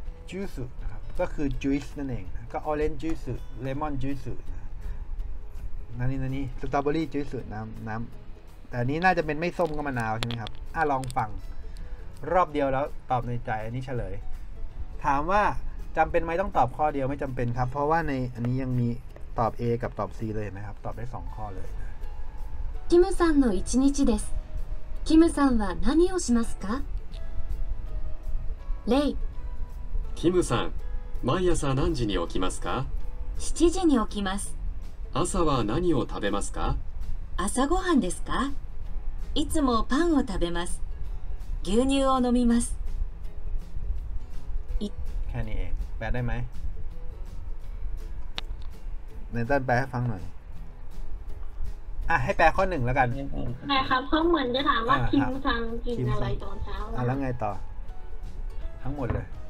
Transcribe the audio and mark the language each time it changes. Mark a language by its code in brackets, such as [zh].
[th] จูสุนะครับก็คือจูสนั่นเองก็ออเรนจ์จูสุเลมอนจูสุนั่นนี่สตรอเบอรี่จูสุน้ำแต่อันนี้น่าจะเป็นไม่ส้มก็มะนาวใช่ไหมครับลองฟังรอบเดียวแล้วตอบในใจอันนี้เฉลยถามว่าจำเป็นไหมต้องตอบข้อเดียวไม่จำเป็นครับเพราะว่าในอันนี้ยังมีตอบ A กับตอบ C เลยนะครับตอบได้2ข้อเลย [ja] คิมซังの1日です。キムさんは何をしますか? レイ。キムさん、毎朝何時に起きますか ?7時に起きます。朝は何を食べますか朝ごはんですか? いつもパンを食べます。牛乳を飲みます。 [th] แค่นี้เอง。 แปลได้ไหมในด้านแปลให้ฟังหน่อยให้แปลข้อหนึ่งแล้วกัน แปลครับเขาเหมือนจะถามว่าคิมซังกินอะไรตอนเช้า แล้วไงต่อทั้งหมดเลย